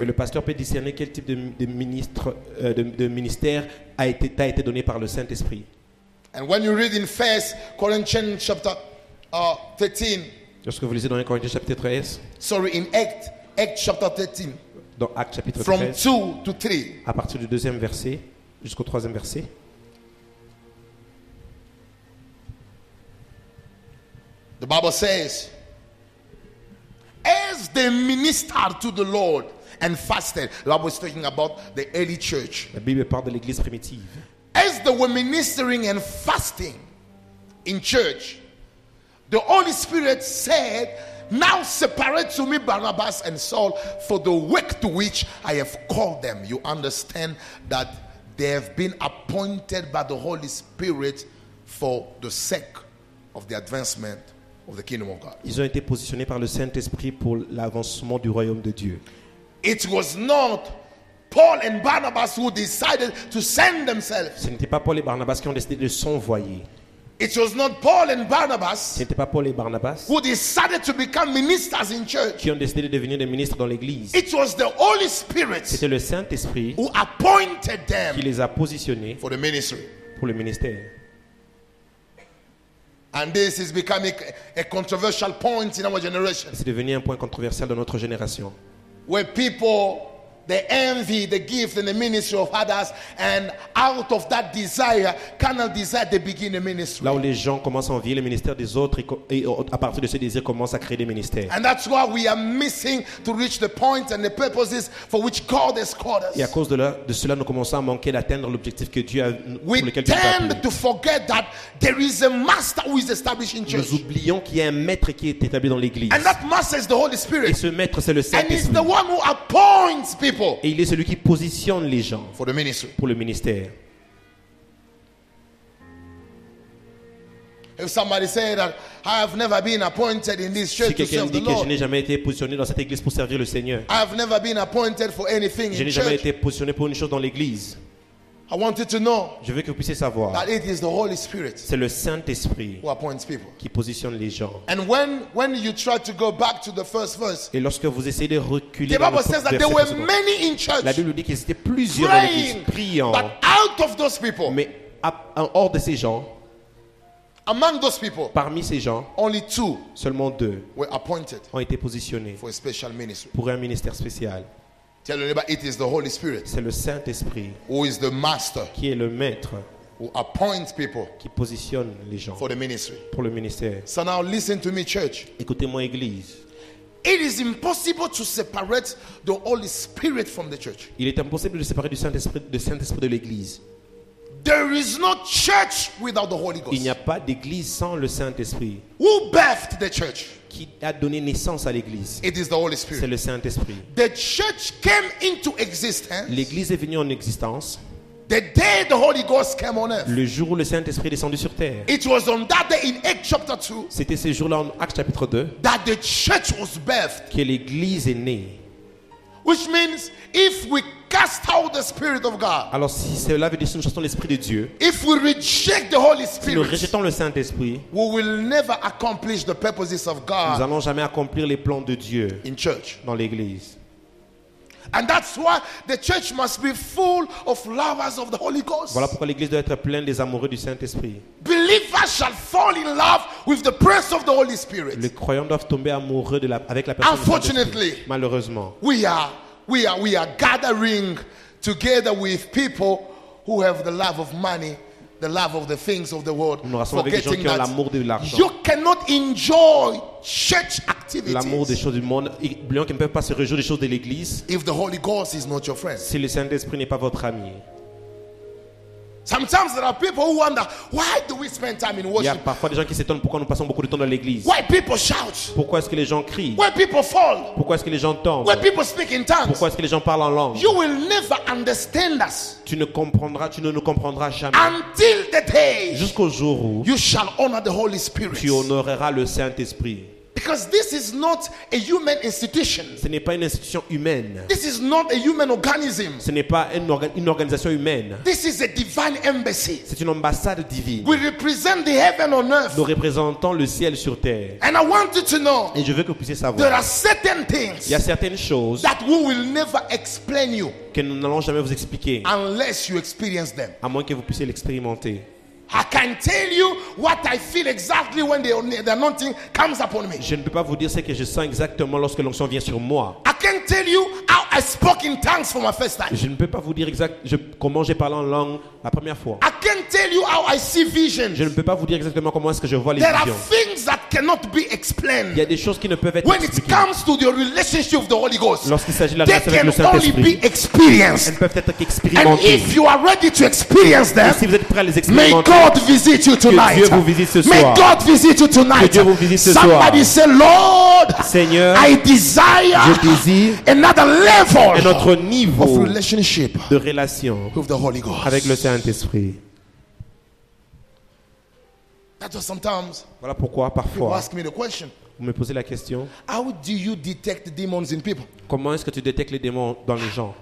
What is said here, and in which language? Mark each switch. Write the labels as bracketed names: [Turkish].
[French] Mais le pasteur peut discerner quel type de ministère t'a été donné par le Saint-Esprit. [English] And when you read in 1 Corinthians chapter 13. [French] Lorsque vous lisez dans 1 Corinthiens chapitre 13. [English] Sorry, in Acts chapter 13. [French] Dans Actes chapitre 13. [English] From 2 to 3. [French] À partir du deuxième verset jusqu'au troisième verset. [English] Acts The Bible says, as they ministered to the Lord and fasted. The Bible is talking about the early church. [French] La Bible parle de l'église primitive. [English] As they were ministering and fasting in church, the Holy Spirit said, now separate to me Barnabas and Saul for the work to which I have called them. You understand that they have been appointed by the Holy Spirit for the sake of the advancement of the kingdom of God. [French] Ils ont été positionnés par le Saint-Esprit pour l'avancement du royaume de Dieu. [English] It was not Paul and Barnabas who decided to send themselves. [French] Ce n'était pas Paul et Barnabas qui ont décidé de s'envoyer. [English] It was not Paul and Barnabas. [French] Ce n'était pas Paul et Barnabas [English] who decided to become ministers in church. [French] Qui ont décidé de devenir des ministres dans l'église. [English] It was the Holy Spirit. [French] C'était le Saint-Esprit [English] who appointed them. [French] Qui les a positionnés [English] for the ministry. [French] Pour le ministère. [English] And this is becoming a controversial point in our generation. [French] C'est devenu un point controversial dans notre génération. [English] Where people they envy the gift and the ministry of others, and out of that desire, carnal desire, they begin a ministry. [French] Là où les gens commencent à envier le ministère des autres et à partir de ce désir commencent à créer des ministères. [English] And that's why we are missing to reach the points and the purposes for which God has called us. [French] Et à cause de cela, nous commençons à manquer d'atteindre l'objectif que Dieu a pour lequel Dieu nous a appelé. [English] We tend to forget that there is a master who is established in church. [French] Nous oublions qu'il y a un maître qui est établi dans l'église. [English] And that master is the Holy Spirit. [French] Et ce maître, c'est le Saint-Esprit. [English] And he's the one who appoints people. [French] Et il est celui qui positionne les gens [English] for the ministry. [French] Pour le ministère. [English] If somebody say that I have never been appointed in this church [French] si quelqu'un [English] to serve [French] dit [English] the Lord, [French] que je n'ai jamais été positionné dans cette église pour servir le Seigneur, [English] I have never been appointed for anything [French] je n'ai [English] in [French] jamais [English] church, [French] été positionné pour une chose dans l'église. [English] I want you to know [French] je veux que vous puissiez savoir [English] that it is the Holy Spirit, [French] c'est le Saint-Esprit [English] who appoints people, [French] qui positionne les gens. [English] And when you try to go back to the first verse, [French] et lorsque vous essayez de reculer, [English] the Bible says that there were many in church, [French] la Bible dit qu'il y avait plusieurs dans l'église priant, [English] but out of those people, [French] mais hors de ces gens, [English] among those people, [French] parmi ces gens, [English] only two, [French] seulement deux, [English] were appointed, [French] ont été positionnés [English] for a special ministry, [French] pour un ministère spécial. [English] Tell your neighbor, it is the Holy Spirit. [French] C'est le Saint-Esprit. [English] Who is the master? [French] Qui est le maître? [English] Who appoints people? [French] Qui positionne les gens? [English] For the ministry. [French] Pour le ministère. [English] So now listen to me, church. [French] Écoutez-moi, église. [English] It is impossible to separate the Holy Spirit from the church. [French] Il est impossible de séparer du Saint-Esprit de l'église. [English] There is no church without the Holy Ghost. [French] Il n'y a pas d'église sans le Saint-Esprit. [English] Who birthed the church? [French] Qui a donné naissance à l'église? [English] It is the Holy Spirit. [French] C'est le Saint-Esprit. [English] The church came into existence. [French] L'église est venue en existence. [English] The day the Holy Ghost came on earth. [French] Le jour où le Saint-Esprit est descendu sur terre. [English] It was on that day in Acts chapter 2. [French] C'était ce jour-là en Actes chapitre 2. [English] That the church was birthed. [French] Que l'église est née. [English] Which means if we cast out the Spirit of God. [French] Alors si cela veut dire que nous chassons l'Esprit de Dieu. [English] If we reject the Holy Spirit. [French] Si nous rejetons le Saint-Esprit. [English] We will never accomplish the purposes of God. [French] Nous n'allons jamais accomplir les plans de Dieu. [English] In church. [French] Dans l'église. [English] And that's why the church must be full of lovers of the Holy Ghost. [French] Voilà pourquoi l'église doit être pleine des amoureux du Saint-Esprit. [English] Believers shall fall in love with the presence of the Holy Spirit. [French] Les croyants doivent tomber amoureux de avec la personne. [English] Unfortunately, [French] malheureusement, [English] we are gathering together with people who have the love of money, the love of the things of the world, forgetting that you cannot enjoy church activities. [French] L'amour des choses du monde, oublions qu'ils ne peuvent pas se réjouir des choses de l'église. [English] If the Holy Ghost is not your friend, [French] si le Saint-Esprit n'est pas votre ami. [English] Sometimes there are people who wonder why do we spend time in worship? [French] Il y a parfois des gens qui s'étonnent pourquoi nous passons beaucoup de temps dans l'église. [English] Why people shout? [French] Pourquoi est-ce que les gens crient? [English] Why people fall? [French] Pourquoi est-ce que les gens tombent? [English] Why people speak in tongues? [French] Pourquoi est-ce que les gens parlent en langue? [English] You will never understand us. [French] Tu ne nous comprendras jamais. [English] Until the day. [French] Jusqu'au jour où. [English] You shall honor the Holy Spirit. [French] Tu honoreras le Saint-Esprit. [English] Because this is not a human institution. [French] Ce n'est pas une institution humaine. [English] This is not a human organism. [French] Ce n'est pas une organisation humaine. [English] This is a divine embassy. [French] C'est une ambassade divine. [English] We represent the heaven on earth. [French] Nous représentons le ciel sur terre. [English] And I want you to know. [French] Et je veux que vous puissiez savoir. [English] There are certain things. [French] Il y a certaines choses. [English] That we will never explain you. [French] Que nous n'allons jamais vous expliquer. [English] Unless you experience them. [French] À moins que vous puissiez l'expérimenter. [English] I can tell you what I feel exactly when the anointing comes upon me. [French] Je ne peux pas vous dire ce que je sens exactement lorsque l'onction vient sur moi. [English] I can tell you how I spoke in tongues for my first time. [French] Je ne peux pas vous dire comment j'ai parlé en langue la première fois. [English] I can tell you how I see visions. [French] Je ne peux pas vous dire exactement comment est-ce que je vois les [English] there [French] visions. [English] There are things that cannot be explained. [French] Il y a des choses qui ne peuvent être [English] when [French] expliquées. [English] When it comes to the relationship of the Holy Ghost, [French] lorsqu'il s'agit de la relation avec le Saint-Esprit, [English] they can only be experienced. [French] Elles peuvent être expérimentées. [English] And if you are ready to experience them, [French] si vous êtes prêt à les expérimenter, [English] may God visit you tonight. [French] Que Dieu vous visite ce soir. [English] May God visit you tonight. [French] Que Dieu vous visite ce [English] somebody [French] soir. [English] Somebody say, Lord, [French] Seigneur, [English] I desire [French] je désire [English] another level, [French] un autre niveau [English] of relationship [French] de relation [English] with the Holy Ghost. [French] Avec le Saint-Esprit. [English] That's why sometimes [French] voilà pourquoi parfois [English] people ask me the question, [French] vous me posez la question, [English] how do you detect demons in people? [French] Comment est-ce que tu détectes les démons dans les gens?